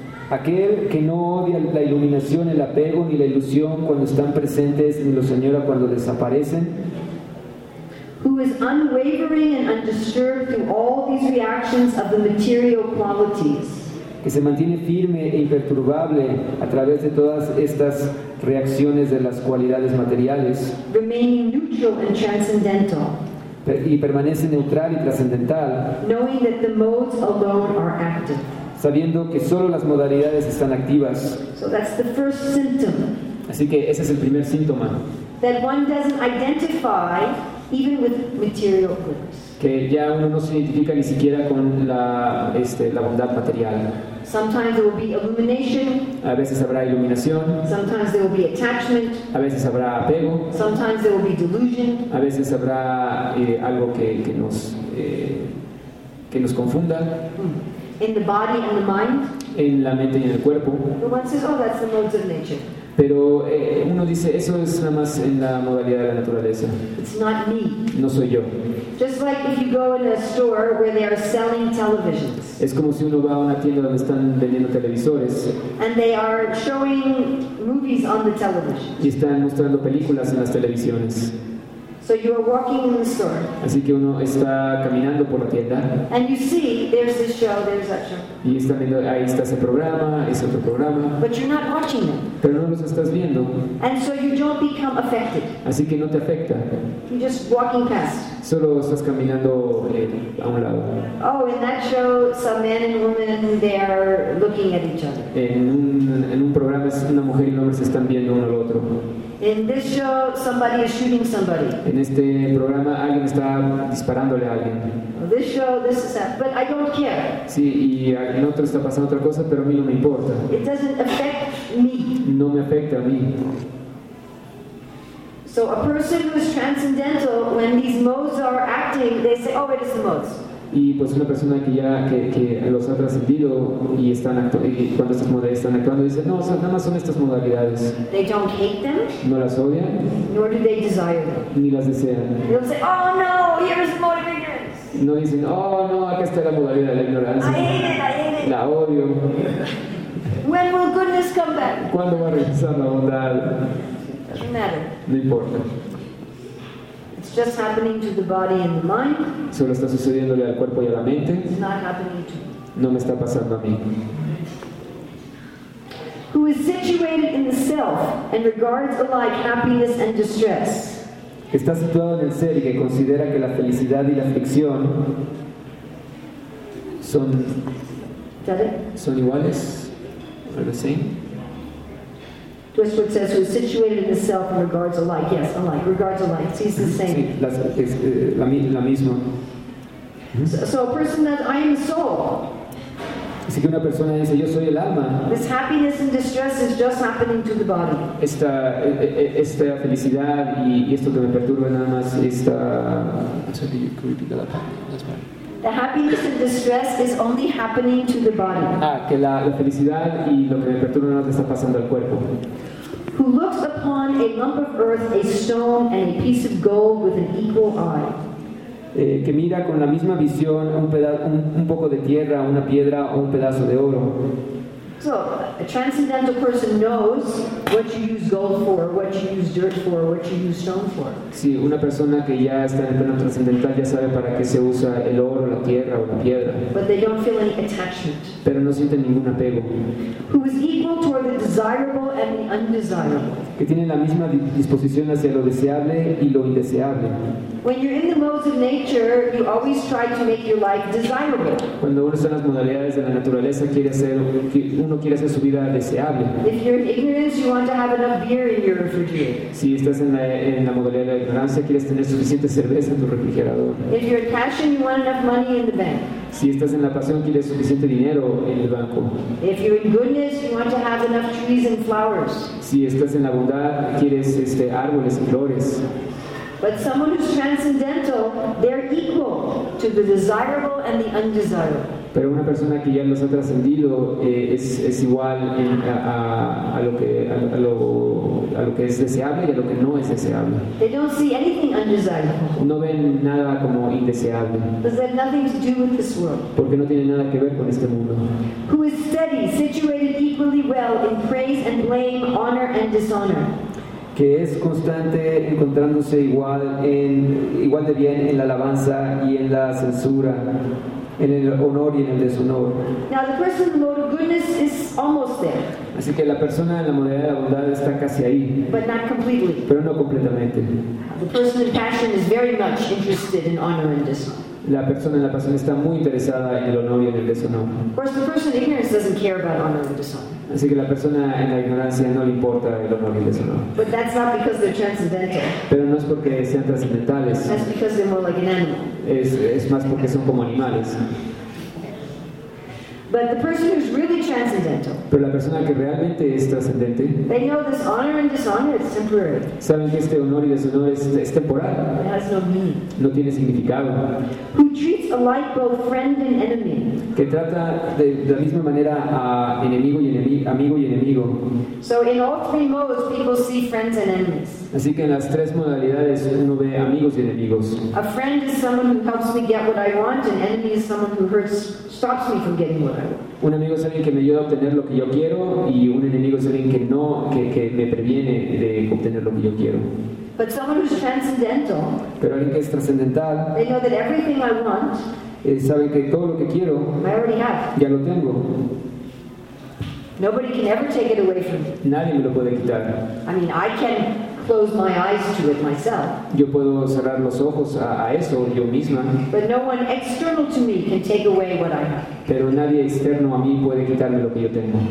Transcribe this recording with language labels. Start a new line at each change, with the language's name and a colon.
Spanish: Aquel que no odia la iluminación, el apego ni la ilusión cuando están presentes, ni los señora cuando desaparecen.
English: Who is unwavering and undisturbed through all these reactions of the material qualities.
Spanish: Que se mantiene firme e imperturbable a través de todas estas reacciones de las cualidades materiales.
English: Remaining neutral and transcendental.
Spanish: Y permanece neutral y trascendental.
English: Knowing that the modes alone are active.
Spanish: Sabiendo que solo las modalidades están activas.
English: So that's the first symptom.
Spanish: Así que ese es el primer síntoma.
English: That one doesn't identify even with material goods.
Spanish: Que ya uno no se identifica ni siquiera con la bondad material.
English: Sometimes there will be illumination.
Spanish: A veces habrá iluminación.
English: Sometimes there will be attachment.
Spanish: A veces habrá apego.
English: Sometimes there will be delusion.
Spanish: A veces habrá algo que nos confunda.
English: In the body and the mind.
Spanish: En la mente y en el cuerpo.
English: But one says, oh, that's the modes of nature.
Spanish: Pero uno dice, eso es nada más en la modalidad de la naturaleza.
English: It's not me.
Spanish: No soy yo.
English: Just like if you go in a store where they are selling televisions.
Spanish: Es como si uno va a una tienda donde están vendiendo televisores.
English: And they are showing movies on the television.
Spanish: Y están mostrando películas en las televisiones.
English: So you are walking in the store.
Spanish: Así que uno está caminando por la tienda.
English: And you see, there's this show, there's that show.
Spanish: Y está viendo, ahí está ese programa, ese otro programa.
English: But you're not watching them.
Spanish: Pero no los estás viendo.
English: And so you don't become affected.
Spanish: Así que no te afecta.
English: You're just walking past.
Spanish: Solo estás caminando a un lado.
English: Oh, in that show, some man and woman, they are looking at each other.
Spanish: En un programa, una mujer y un hombre se están viendo uno al otro.
English: In this show, somebody is shooting somebody.
Spanish: En este programa, alguien está disparándole a alguien.
English: This show, this is that, but I don't care.
Spanish: Sí, y en otro está pasando otra cosa, pero a mí no me importa.
English: It doesn't affect me.
Spanish: No me afecta a mí.
English: So a person who is transcendental, when these modes are acting, they say, oh, it is the modes.
Spanish: Y pues una persona que ya que los ha trascendido y cuando estas modalidades están actuando dice, no, o sea, nada más son estas modalidades.
English: They don't hate them.
Spanish: No las odian.
English: Nor do they desire them.
Spanish: Ni las desean.
English: They'll say, oh no, here's the mode of ignorance.
Spanish: No dicen, oh no, acá está la modalidad de la ignorancia.
English: I hate it.
Spanish: La odio.
English: When will goodness come back?
Spanish: ¿Cuándo va a regresar la bondad?
English: It doesn't matter.
Spanish: No importa.
English: It's It's just happening to the body and the mind.
Spanish: Solo está sucediéndole al cuerpo y a la mente.
English: It's not happening to me.
Spanish: No me está pasando a mí.
English: Who is situated in the self and regards alike happiness and distress.
Spanish: Está situado en el ser y que considera que la felicidad y la aflicción son iguales.
English: Are the same. Westwood says, who is situated in the self and regards alike. Yes, alike. Regards alike. Sees the same.
Spanish: Sí, la misma.
English: So a person that I am a soul.
Spanish: Así que una persona dice, yo soy el alma.
English: This happiness and distress is just happening to the body.
Spanish: Esta felicidad y esto que me perturba nada más está.
English: Sorry, can we repeat that? That's fine. The happiness and distress is only happening to the body.
Spanish: Que la felicidad y lo que me perturba nada más está pasando al cuerpo.
English: Who looks upon a lump of earth, a stone, and a piece of gold with an equal eye.
Spanish: Que mira con la misma visión un poco de tierra, una piedra o un pedazo de oro.
English: So, a transcendental person knows what you use gold for, what you use dirt for, what you use stone for.
Spanish: Sí, una persona que ya está en el plano transcendental ya sabe para qué se usa el oro, la tierra o la piedra.
English: But they don't feel any attachment.
Spanish: Pero no sienten ningún apego.
English: Who is equal toward the desirable and the undesirable.
Spanish: Que tiene la misma disposición hacia lo deseable y lo indeseable.
English: When you're in the modes of nature, you always try to make your life desirable.
Spanish: Cuando uno está en las modalidades de la naturaleza, uno quiere hacer su vida deseable.
English: If you're in ignorance, you want to have enough beer in your refrigerator.
Spanish: Si estás en la modalidad de la ignorancia, quieres tener suficiente cerveza en tu refrigerador.
English: If you're in passion, you want enough money in the bank.
Spanish: Si estás en la pasión, quieres suficiente dinero en el banco.
English: If you're in goodness, you want to have enough trees and flowers.
Spanish: Si estás en la bondad, quieres árboles y flores.
English: But someone who's transcendental, they're equal to the desirable and the undesirable.
Spanish: Pero una persona que ya los ha trascendido es igual a lo que es deseable y a lo que no es deseable.
English: They don't see anything undesirable.
Spanish: No ven nada como indeseable.
English: Because they have nothing to do with this world.
Spanish: Porque no tiene nada que ver con este mundo.
English: Who is steady, situated equally well in praise and blame, honor and dishonor.
Spanish: Que es constante encontrándose igual de bien en la alabanza y en la censura. En el honor y en el deshonor.
English: Now the person in the mode of goodness is almost there.
Spanish: Así que la persona en la modalidad de la bondad está casi ahí.
English: But not completely.
Spanish: Pero no completamente.
English: The person in passion is very much interested in honor and dishonor.
Spanish: La persona en la pasión está muy interesada en el honor y en el deshonor.
English: Whereas the person in ignorance doesn't care about honor and dishonor.
Spanish: Así que la persona en la ignorancia no le importa el honor y el deshonor.
English: But that's not because they're transcendental.
Spanish: Pero no es porque sean trascendentales.
English: That's because they're more like an animal.
Spanish: Es más porque son como animales.
English: But the person who's really transcendental.
Spanish: Pero la persona que realmente es trascendente.
English: They know this honor and dishonor is temporary.
Spanish: Saben que este honor y deshonor es temporal.
English: It has no meaning.
Spanish: No tiene significado.
English: Who treats alike both friend and enemy.
Spanish: Que trata de la misma manera a enemigo y amigo y enemigo.
English: So in all three modes, people see friends and enemies.
Spanish: Así que en las tres modalidades uno ve amigos y enemigos.
English: A friend is someone who helps me get what I want, and enemy is someone who stops me from getting what I want.
Spanish: Un amigo es alguien que me ayuda a obtener lo que yo quiero, y un enemigo es alguien que no, que me previene de obtener lo que yo quiero.
English: But someone who's transcendental.
Spanish: Pero alguien que es trascendental.
English: They know that everything I want.
Spanish: Sabe que todo lo que quiero.
English: I already have.
Spanish: Ya lo tengo.
English: Nobody can ever take it away from me.
Spanish: Nadie me lo puede quitar.
English: I mean, I can. Close my eyes to it myself.
Spanish: Yo puedo cerrar los ojos a eso yo misma.
English: But no one external to me can take away what I have.
Spanish: Pero nadie externo a mí puede quitarme lo que yo tengo.